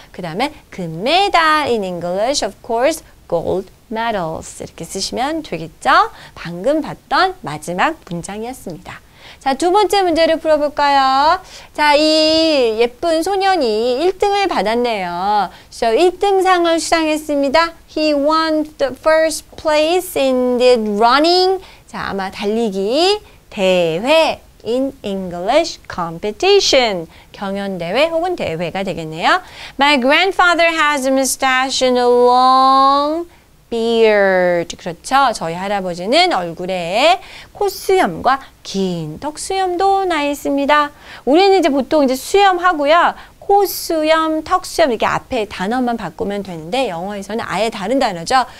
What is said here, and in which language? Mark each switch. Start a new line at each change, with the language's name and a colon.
Korean: 그 다음에 금메달
English: in English, of course, gold medals
Korean: 이렇게 쓰시면 되겠죠. 방금 봤던 마지막 문장이었습니다. 자, 두 번째 문제를 풀어볼까요? 자, 이 예쁜 소년이 1등을 받았네요. So, 1등상을 수상했습니다.
English: He won the first place in the running.
Korean: 자, 아마 달리기 대회
English: in English competition.
Korean: 경연대회 혹은 대회가 되겠네요.
English: My grandfather has a mustache and a long beard.
Korean: 그렇죠. 저희 할아버지는 얼굴에 콧수염과 긴 턱수염도 나 있습니다. 우리는 이제 보통 이제 수염하고요. 콧수염, 턱수염 이렇게 앞에 단어만 바꾸면 되는데 영어에서는 아예 다른 단어죠.